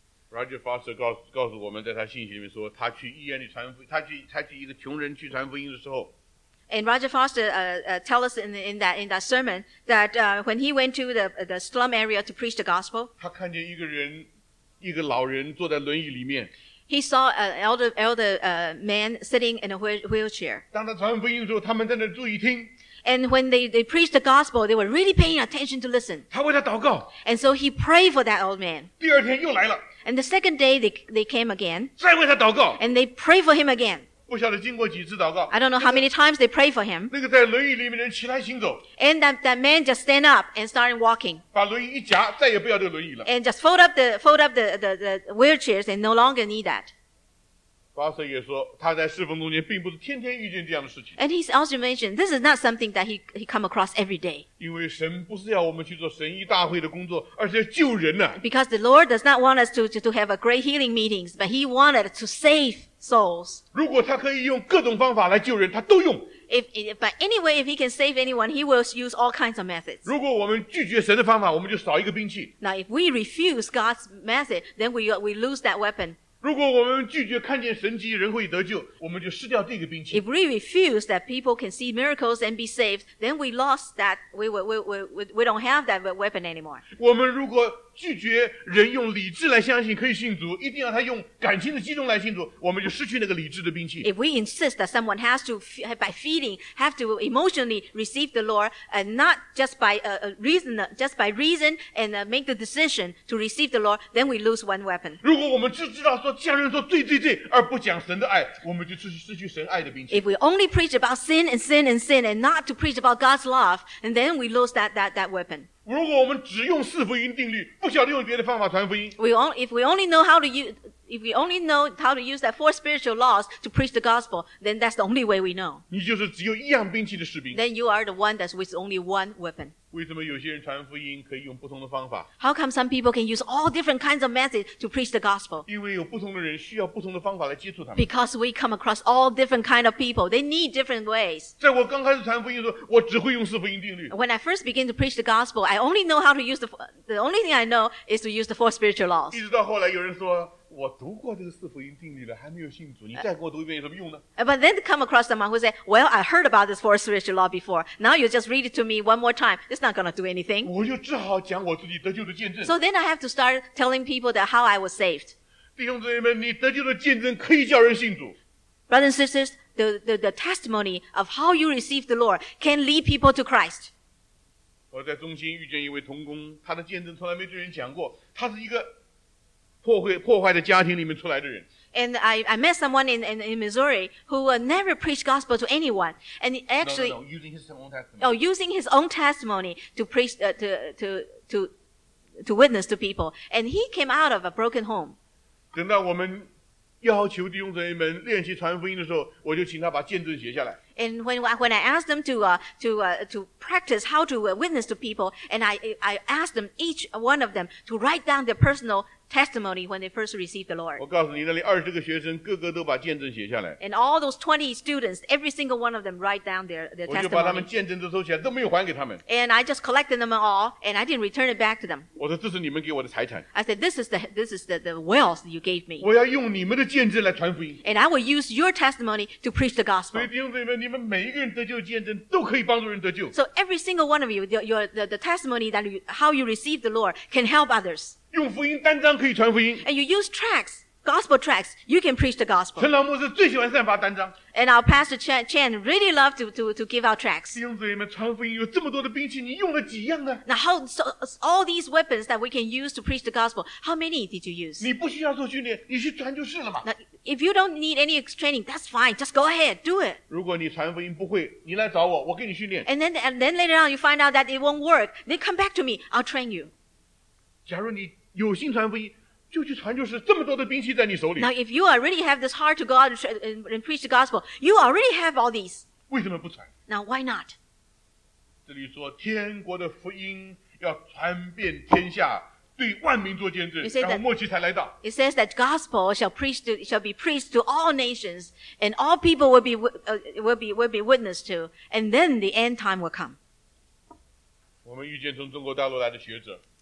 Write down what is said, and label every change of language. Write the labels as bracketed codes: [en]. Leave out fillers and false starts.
[zh] Roger Foster 告诉我们在他信息里面说他去医院里传福音他去一个穷人去传福音的时候。 [en] And Roger Foster tell us in that sermon that when he went to the slum area to preach the gospel, [zh] 他看见一个老人坐在轮椅里面。 [en] He saw an elder man sitting in a wheelchair. [zh] 当他传福音的时候，他们在那注意听。 [en] And when they preached the gospel, they were really paying attention to listen. [zh] 他为他祷告。 [en] And so he prayed for that old man. [zh] 第二天又来了。 [en] And the second day they came again. [zh] 再为他祷告。 [en] And they prayed for him again. [zh] 不晓得经过几次祷告。 [en] I don't know how many times they pray for him. [zh] 那个在轮椅里面的人起来行走。 [en] And that man just stand up and started walking. [zh] 把轮椅一夹，再也不要这个轮椅了。 [en] And just fold up the wheelchairs and no longer need that. [zh] 巴瑟也说，他在侍奉中间并不是天天遇见这样的事情。 [en] And he also mentioned this is not something that he come across every day. [zh] 因为神不是要我们去做神医大会的工作，而是要救人呢。 [en] Because the Lord does not want us to have a great healing meetings, but he wanted to save. Souls. [zh] 如果他可以用各种方法来救人，他都用。 [en] If he can save anyone, he will use all kinds of methods. [zh] 如果我们拒绝神的方法，我们就少一个兵器。 [en] Now, if we refuse God's method, then we lose that weapon. [zh] 如果我们拒绝看见神迹，人会得救，我们就失掉这个兵器。 [en] If we refuse that people can see miracles and be saved, then we lost that. We don't have that weapon anymore. [zh] 我们如果拒绝人用理智来相信可以信主，一定要他用感情的激动来信主，我们就失去那个理智的兵器。 [en] If we insist that someone has to by feeling have to emotionally receive the Lord and not just by reason and make the decision to receive the Lord, then we lose one weapon. [zh] 如果我们只知道说匠人说对对对，而不讲神的爱，我们就失去神爱的兵器。 [en] If we only preach about sin and sin and sin and not to preach about God's love, and then we lose that weapon. [zh] 如果我们只用四福音定律，不晓得用别的方法传福音。 [en] If we only know how to use, if we only know how to use that four spiritual laws to preach the gospel, then that's the only way we know. [zh] 你就是只有一样兵器的士兵。 [en] Then you are the one that's with only one weapon. [zh] 为什么有些人传福音可以用不同的方法？ [en] How come some people can use all different kinds of methods to preach the gospel? [zh] 因为有不同的人需要不同的方法来接触他们。 [en] Because we come across all different kinds of people. They need different ways. [zh] 在我刚开始传福音的时候，我只会用四福音定律。 [en] When I first begin to preach the gospel, I only know how to use the only thing I know is to use the four spiritual laws. [zh] 一直到后来有人说我读过这个四福音定律了，还没有信主，你再给我读一遍有什么用呢？ [en] But then come across someone who say, "Well, I heard about this four spiritual law before. Now you just read it to me one more time. It's not going to do anything." [zh] 我就只好讲我自己得救的见证。 [en] So then I have to start telling people that how I was saved. [zh] 弟兄姊妹们，你得救的见证可以叫人信主。 [en] Brothers and sisters, the testimony of how you received the Lord can lead people to Christ. [zh] 我在中心遇见一位同工，他的见证从来没对人讲过，他是一个。破坏的家庭里面出来的人。 [en] And I met someone in Missouri who never preached gospel to anyone. And actually, no, using his own testimony. Oh, using his own testimony to preach, to witness to people. And he came out of a broken home. [zh] 等到我们要求弟兄姊妹们练习传福音的时候，我就请他把见证写下来。 [en] And when I asked them to practice how to witness to people, and I asked them each one of them to write down their personal testimony when they first received the Lord. [zh] 我告诉你，那里二十个学生，个个都把见证写下来。 [en] And all those 20 students, every single one of them write down their testimony. [zh] 我就把他们见证都收起来，都没有还给他们。 [en] And I just collected them all, and I didn't return it back to them. [zh] 我说这是你们给我的财产。 [en] I said this is the wealth you gave me. [zh] 我要用你们的见证来传福音。 [en] And I will use your testimony to preach the gospel. [zh] 所以弟兄姊妹们，你们每一个人得救见证都可以帮助人得救。 [en] So every single one of you, the testimony that how you received the Lord can help others. [zh] 用福音单张可以传福音。 [en] And you use tracts, gospel tracts, you can preach the gospel. [zh] 陈老牧师最喜欢散发单张。 [en] And our pastor Chan really loved to give out tracts. [zh] 弟兄姊妹们，传福音有这么多的兵器，你用了几样呢？ [en] Now how so all these weapons that we can use to preach the gospel, how many did you use? [zh] 你不需要做训练，你去传就是了嘛。 [en] Now if you don't need any training, that's fine. Just go ahead, do it. [zh] 如果你传福音不会，你来找我，我给你训练。 [en] And then later on you find out that it won't work, then come back to me, I'll train you. [zh] 假如你有心传福音，就去传，就是这么多的兵器在你手里。 [en] Now, if you already have this heart to go out and preach the gospel, you already have all these. [zh] 为什么不传？ [en] Now, why not? [zh] 这里说，天国的福音要传遍天下，对万民做见证，然后末期才来到。 [en] It says that gospel shall be preached to all nations, and all people will be witnessed to, and then the end time will come. [zh] 我们遇见从中国大陆来的学者。